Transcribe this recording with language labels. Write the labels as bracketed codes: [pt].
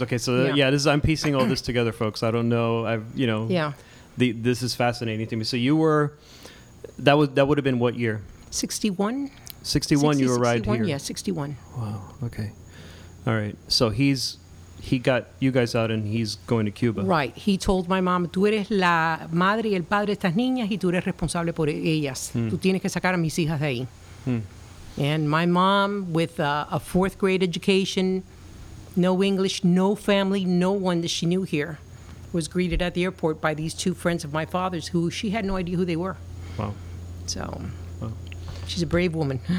[en] Okay, so I'm piecing all this together, folks. I don't know. This is fascinating to me. So you were... That would have been what year? 61. 61, you arrived 61, here. Yeah, 61. Wow, okay. All right, so he got you guys out, and he's going to Cuba. Right. [es] He told my mom, tú eres la madre y el padre de estas niñas, y tú eres responsable por ellas. Mm. Tú tienes que sacar a mis hijas de ahí. Mm. [en] And my mom, with a fourth grade education, no English, no family, no one that she knew here, was greeted at the airport by these two friends of my father's who she had no idea who they were. Wow. So... She's a brave woman.